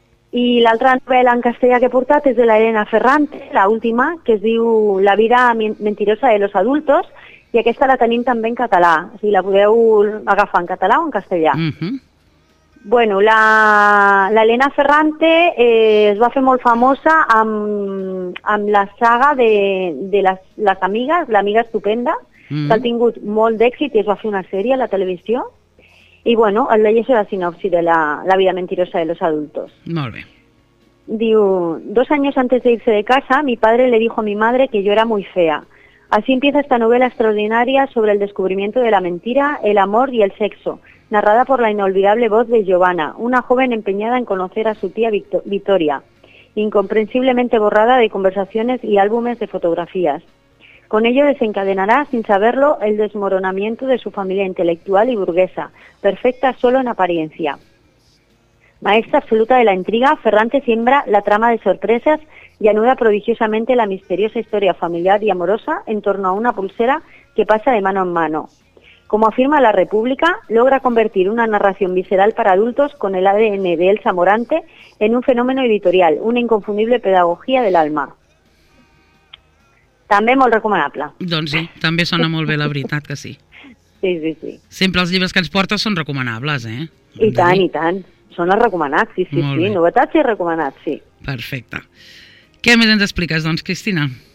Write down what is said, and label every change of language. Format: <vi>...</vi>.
<ca>I l'altra novel·la en castellà que he portat és de l'Elena Ferrante, l'última, que es diu La vida mentirosa de los adultos, i aquesta la tenim també en català, o sigui, la podeu agafar en català o en castellà. Bueno, l'Elena Ferrante es va fer molt famosa amb la saga de les amigues, l'Amiga Estupenda, que ha tingut molt d'èxit i es va fer una sèrie a la televisió. I bueno, el llegeixo la sinopsi de la vida mentirosa de los adultos. Molt bé.</ca> <es>Diu, 2 años antes de irse de casa, mi padre le dijo a mi madre que yo era muy fea. Así empieza esta novela extraordinaria sobre el descubrimiento de la mentira, el amor y el sexo, narrada por la inolvidable voz de Giovanna, una joven empeñada en conocer a su tía Victoria, incomprensiblemente borrada de conversaciones y álbumes de fotografías. Con ello desencadenará, sin saberlo, el desmoronamiento de su familia intelectual y burguesa, perfecta solo en apariencia. Maestra absoluta de la intriga, Ferrante siembra la trama de sorpresas y anuda prodigiosamente la misteriosa historia familiar y amorosa en torno a una pulsera que pasa de mano en mano. Como afirma La República, logra convertir una narración visceral para adultos con el ADN de Elsa Morante en un fenómeno editorial, una inconfundible pedagogía del alma.</es> <ca>També molt recomanable. Doncs sí, també sona molt bé, la veritat que sí. Sí, sí, sí. Sempre els llibres que ens portes són recomanables, eh? I tant, i tant. Són els recomanats, sí, sí, sí. Novetats i recomanats, sí. Perfecte. Què més ens expliques, doncs, Cristina?</ca>